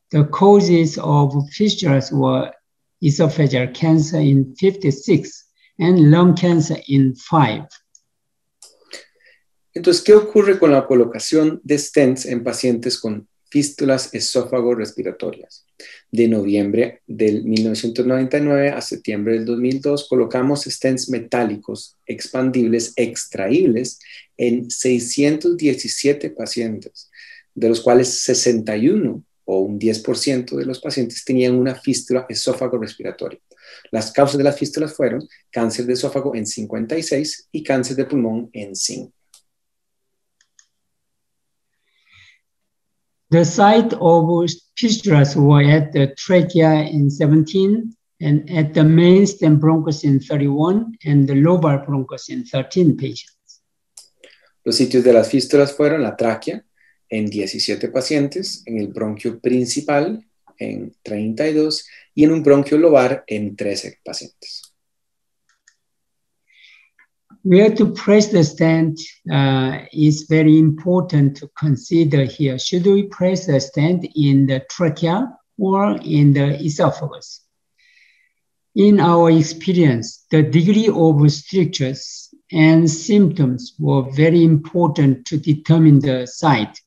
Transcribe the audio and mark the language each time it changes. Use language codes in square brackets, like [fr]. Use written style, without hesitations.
[en] The causes of fistulas were esophageal cancer in 56. And lung cancer in 5. [es] Entonces, ¿qué ocurre con la colocación de stents en pacientes con fístulas esófago-respiratorias? De noviembre del 1999 a septiembre del 2002, colocamos stents metálicos expandibles extraíbles en 617 pacientes, de los cuales 61 o un 10% de los pacientes tenían una fístula esófago-respiratoria. Las causas de las fístulas fueron cáncer de esófago en 56 y cáncer de pulmón en 5. [en] The site of fistulas were at the trachea in 17 and at the main stem bronchus in 31 and the lobar bronchus in 13 patients. [es] Los sitios de las fístulas fueron la tráquea en 17 pacientes, en el bronquio principal en 32 y en un bronquio lobar en 13 pacientes. [en] Where to place the stent is very important to consider here. Should we place the stent in the trachea or in the esophagus? In our experience, the degree of strictures and symptoms were very important to determine the site.